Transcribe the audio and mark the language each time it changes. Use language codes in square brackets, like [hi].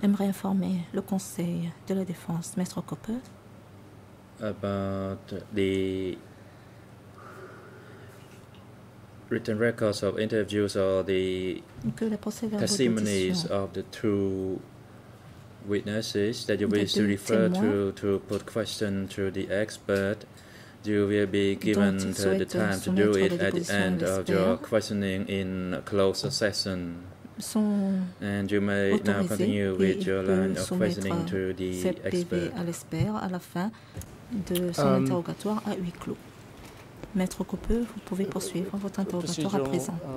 [fr] Aimerait informer le conseil de la défense, Maître Copper. [en] About the written records of interviews or the testimonies of the two witnesses that you wish to refer to put questions to the expert. You will be given the time to do it at the end of your questioning in closed session. And you may now continue with your line of questioning to the expert. [fr] À l'expert à la fin de son interrogatoire à huis clos. Maître Coupeux, vous pouvez poursuivre votre interrogatoire à présent.